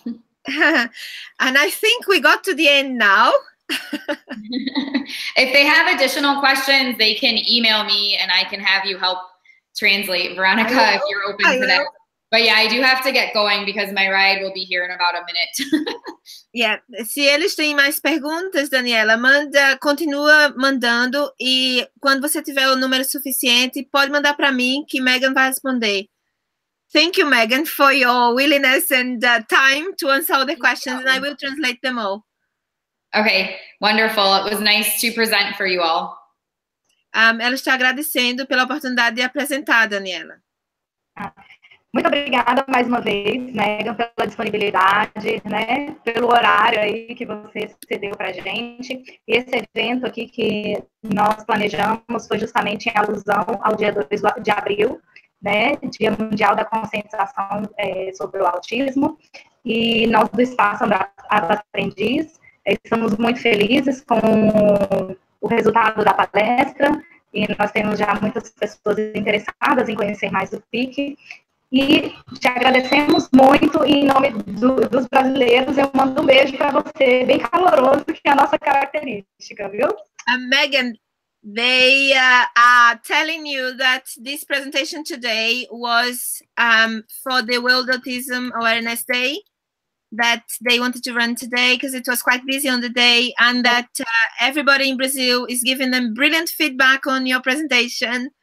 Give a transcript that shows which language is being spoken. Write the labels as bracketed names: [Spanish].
[English] And I think we got to the end now. If they have additional questions, they can email me and I can have you help translate, Veronica, if you're open to that. But yeah, I do have to get going because my ride will be here in about a minute. [Portuguese] Yeah, se eles têm mais perguntas, Daniela, continua mandando e quando você tiver o número suficiente, pode mandar para mim que Megan vai responder. [English] Thank you, Megan, for your willingness and time to answer all the questions, and I will translate them all. Okay, wonderful. It was nice to present for you all. [Portuguese] Ela está agradecendo pela oportunidade de apresentar, Daniela. Muito obrigada mais uma vez, Megan, pela disponibilidade, né, pelo horário aí que você cedeu para a gente. Esse evento aqui que nós planejamos foi justamente em alusão ao dia 2 de abril, né, Dia Mundial da Conscientização sobre o Autismo. E nós do Espaço Aprendiz estamos muito felizes com o resultado da palestra e nós temos já muitas pessoas interessadas em conhecer mais o PIC. E te agradecemos muito em nome dos brasileiros. Eu mando um beijo para você, bem caloroso, que é a nossa característica, viu? [English] Megan, they are telling you that this presentation today was for the World Autism Awareness Day, that they wanted to run today because it was quite busy on the day, and that everybody in Brazil is giving them brilliant feedback on your presentation.